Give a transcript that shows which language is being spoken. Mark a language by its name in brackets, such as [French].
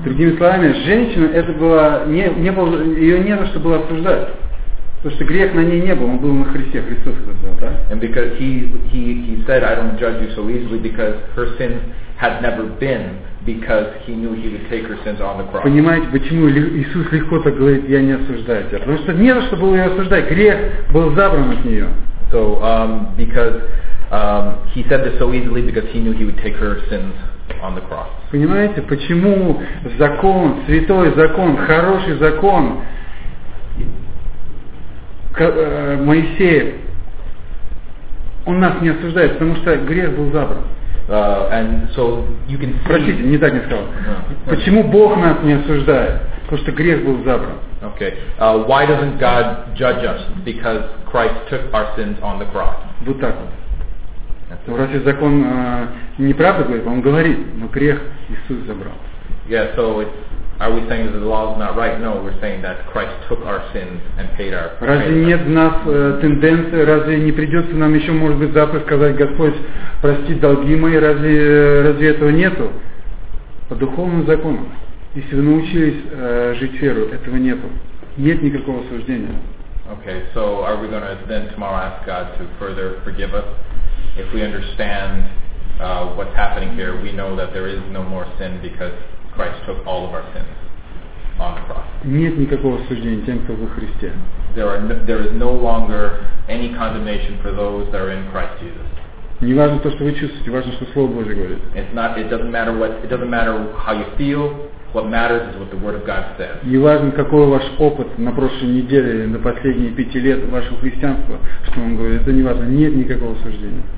[Russian] Другими словами, женщина это была не было её не за что было осуждать. Потому что грех на ней не был, он был на Христе, Христос это сделал, да? [English] And because he said I don't judge you so easily because her sin had never been because he knew he would take her sins on the cross. [Russian] Понимаете, почему Иисус легко так говорит, я не осуждаю тебя? Потому что не за что было её осуждать, грех был забран от неё. [English] So because he said this so easily because he knew he would take her sins on the cross. [Russian] Понимаете, почему закон, святой закон, хороший закон Моисея, он нас не осуждает, потому что грех был забран. [English] And so you can see... [Russian] Простите, не так не сказал. [English] No. [Russian] Почему Бог нас не осуждает? Потому что грех был забран. [English] Okay. Why doesn't God judge us? Because Christ took our sins on the cross. [Russian] Вот так вот. Но разве закон не правда говорит? Он говорит, но грех Иисус забрал. [English] Yeah, so are we saying that the law is not right? No, we're saying that Christ took our sins and paid our. [Russian] Разве нет в нас тенденции? Разве не придется нам еще, может быть, завтра сказать, Господь, прости долги мои? Разве этого нету по духовному закону? Если вы научились жить веру, этого нету. Нет никакого осуждения. [English] Okay, so are we going to then tomorrow ask God to further forgive us? If we understand what's happening here, we know that there is no more sin because Christ took all of our sins on the cross. [Russian] Нет никакого осуждения тем, кто во Христе. [English] There is no longer any condemnation for those that are in Christ Jesus. [Russian] Не важно то, что вы чувствуете, важно, что Слово Божие говорит. [English] It doesn't matter how you feel. What matters is what the Word of God says. [Russian] Не важно, какой ваш опыт на прошлой неделе, на последние 5 лет вашего христианства, что он говорит. Это не важно. Нет никакого осуждения.